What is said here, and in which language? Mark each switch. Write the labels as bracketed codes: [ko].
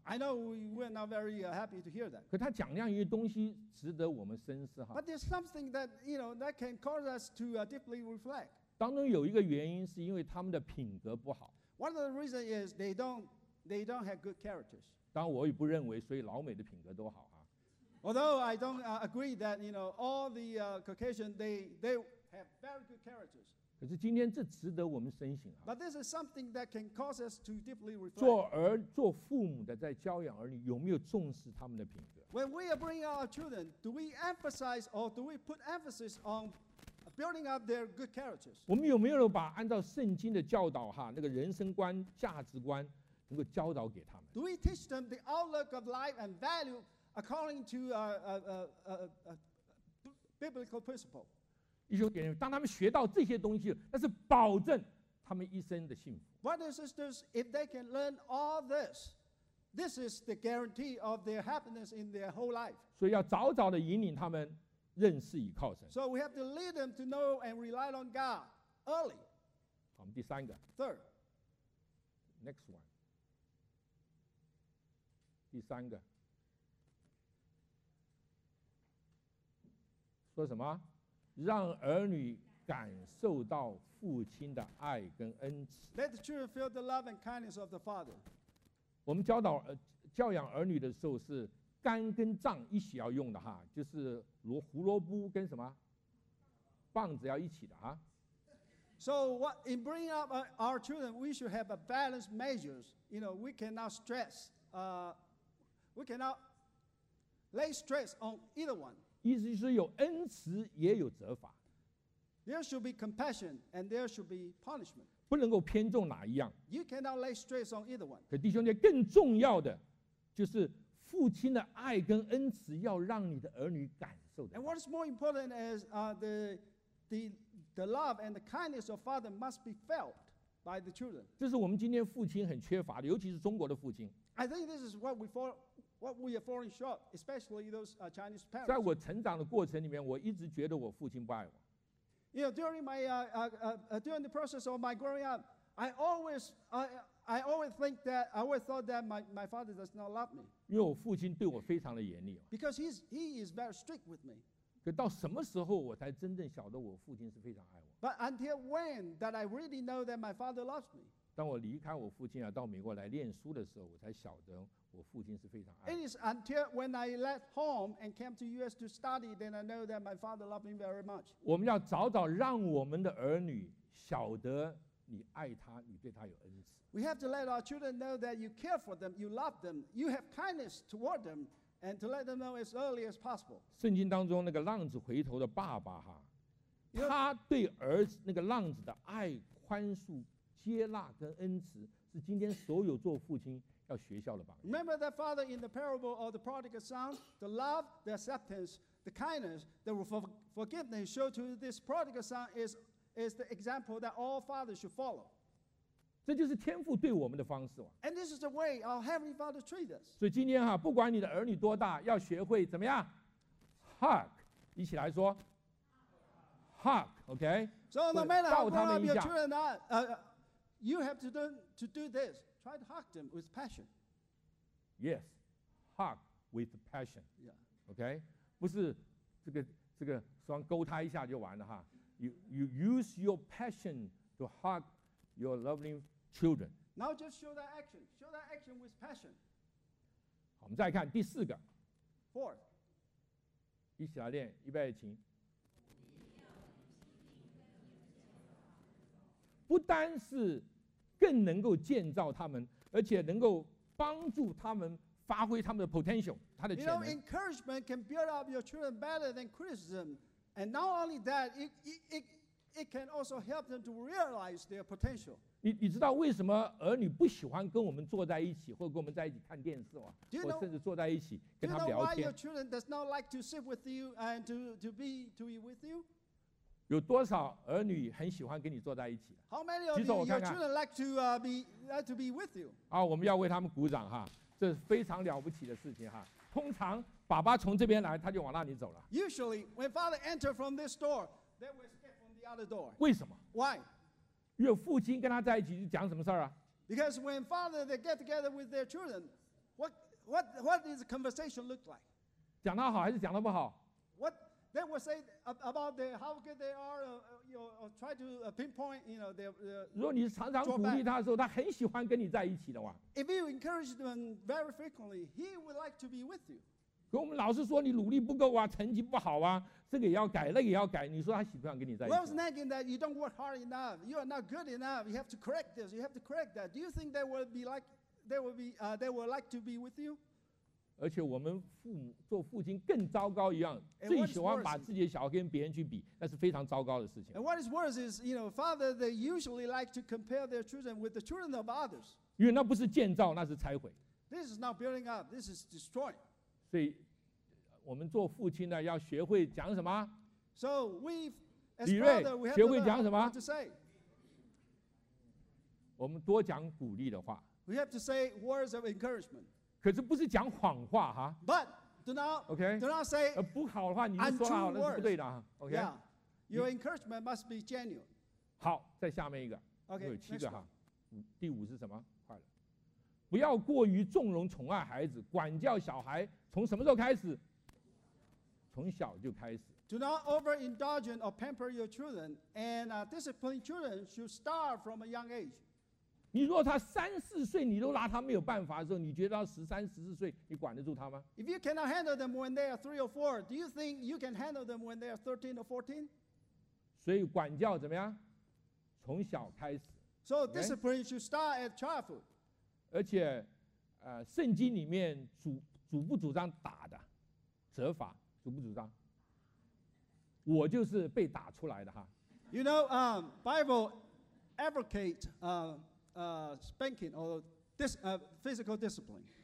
[en] I know we were not very happy to hear that. [zh] 可他讲那些东西值得我们深思哈。 [en] But there's something that you know that can cause us to deeply reflect. [zh] 当中有一个原因是因为他们的品格不好。 [en] One of the reasons is they don't have good characters. [zh] 当然我也不认为所以老美的品格都好哈。 [en] Although I don't agree that you know, all the Caucasians they have very good characters. [zh] 可是今天这值得我们深省啊。 [en] But this is something that can cause us to deeply reflect. [zh] 做父母的在教养儿女有没有重视他们的品格 [en] ？When we are bringing our children, do we emphasize or do we put emphasis on building up their good characters? [zh] 我们有没有把按照圣经的教导哈那个人生观价值观？能够教导给他们。 [en] Do we teach them the outlook of life and value according to biblical principle? [zh] 弟兄姐妹，当他们学到这些东西，那是保证他们一生的幸福。 [en] Brothers and sisters, if they can learn all this, this is the guarantee of their happiness in their whole life. [zh] 所以要早早的引领他们认识倚靠神。 [en] So we have to lead them to know and rely on God early. [zh] 好，我们第三个。 [en] Third. Next one. [zh] 第三个说什么？让儿女感受到父亲的爱跟恩慈。 [en] Let the children feel the love and kindness of the father. [zh] 我们教养儿女的时候是杆跟杖一起要用的哈，就是胡萝卜跟什么棒子要一起的哈。 [en] So what in bringing up our children, we should have a balanced measures. You know, we cannot stress. We cannot lay stress on either one. [zh] 意思就是有恩慈也有责罚。 [en] There should be compassion and there should be punishment. [zh] 不能够偏重哪一样。 [en] You cannot lay stress on either one. [zh] 可弟兄姐，更重要的就是父亲的爱跟恩慈要让你的儿女感受的。 [en] And what is more important is the love and the kindness of father must be felt by the children. [zh] 这是我们今天父亲很缺乏的，尤其是中国的父亲。 [en] I think this is what we are falling short, especially those Chinese parents. [zh] 在我成长的过程里面，我一直觉得我父亲不爱我。 [en] You know, during my during the process of my growing up, I always thought that my father does not love me. [zh] 因为我父亲对我非常的严厉。 [en] Because he is very strict with me. [zh] 可到什么时候我才真正晓得我父亲是非常爱我 [en] ？But until when that I really know that my father loves me? [zh] 当我离开我父亲啊，到美国来念书的时候，我才晓得我父亲是非常爱我。 [en] It is until when I left home and came to U.S. to study, then I know that my father loved me very much. [zh] 我们要早早让我们的儿女晓得你爱他，你对他有恩慈。 [en] We have to let our children know that you care for them, you love them, you have kindness toward them, and to let them know as early as possible. [zh] 圣经当中那个浪子回头的爸爸哈，他对儿子那个浪子的爱、宽恕、接纳跟恩慈，是今天所有做父亲。 [en] Remember that father in the parable of the prodigal son, the love, the acceptance, the kindness, the forgiveness shown to this prodigal son is the example that all fathers should follow. [zh] 这就是天父对我们的方式。 [en] And this is the way our heavenly father treats us. [zh] 所以今天哈，不管你的儿女多大，要学会怎么样 ，hug， 一起来说 ，hug， OK？ [en] So no matter how grown up your children are, you have to do this. Try to hug them with passion. Yes, hug with passion. Yeah. Okay. [zh] 不是这个双勾他一下就完了哈。 [en] You use your passion to hug your loving children. Now just show that action. Show that action with passion. [zh] 好，我们再看第四个。 [en] Fourth. [zh] 一起来练，预备请。不单是。更能够建造他们，而且能够帮助他们发挥他们的 potential， 他的潜能。 [en] You know, encouragement can build up your children better than criticism, and not only that, it can also help them to realize their potential. [zh] 你知道为什么儿女不喜欢跟我们坐在一起，或跟我们在一起看电视吗？ [en] Do you know, [zh] 或甚至坐在一起跟他们聊天。 [en] Do you know why your children does not like to sit with you and to be with you? [zh] 有多少儿女很喜欢跟你坐在一起？ [en] How many of you, your children like to, be with you? [zh] 啊，我们要为他们鼓掌哈，这是非常了不起的事情哈。通常爸爸从这边来，他就往那里走了。 [en] Usually, when father enter from this door, they will step from the other door. [zh] 为什么？ [en] Why? [zh] 因为父亲跟他在一起就讲什么事啊？ [en] Because when father they get together with their children, what is the conversation look like? [zh] 讲得好还是讲得不好？ [en] They will say about the how good they are, you know, try to pinpoint, you know, their. [zh] 如果你常常鼓励他的时候，他很喜欢跟你在一起的话。 [en] If you encourage them very frequently, he would like to be with you. [zh] 可我们老是说你努力不够啊，成绩不好啊，这个也要改，那个也要改。你说他喜不喜欢跟你在一起 [en] ？Well, nagging that you don't work hard enough, you are not good enough. You have to correct this. You have to correct that. Do you think they would like to be with you? [zh] 而且我们父母做父亲更糟糕一样，最喜欢把自己的小孩跟别人去比，那是非常糟糕的事情。 [en] And what is worse is, you know, fathers they usually like to compare their children with the children of others. [zh] 因为那不是建造，那是拆毁。 [en] This is not building up, this is destroying. [zh] 所以，我们做父亲的要学会讲什么 [en] ？So we, as father, we have to learn how to say. [zh] 我们多讲鼓励的话。 [en] We have to say words of encouragement. [zh] 可是不是讲谎话哈 [en] ，But do not okay, do not say [zh] 不好的话你就说好了是不对的哈 ，OK， [en] yeah, your encouragement must be genuine。 [zh] 好，再下面一个 [en] ，OK， [zh] 有七个哈，第五是什么？快了，不要过于纵容宠爱孩子，管教小孩从什么时候开始？从小就开始。 [en] Do not overindulge or pamper your children, and discipline children should start from a young age. [zh] 你若他三四岁，你都拿他没有办法的时候，你觉得他十三、十四岁，你管得住他吗 [en] ？If you cannot handle them when they are three or four, do you think you can handle them when they are 13 or 14? [zh] 所以管教怎么样？从小开始。 [en] So discipline should start at childhood. [zh] 而且，圣经里面主不主张打的，责罚主不主张？我就是被打出来的哈。 [en] You know, Bible advocate spanking or physical discipline.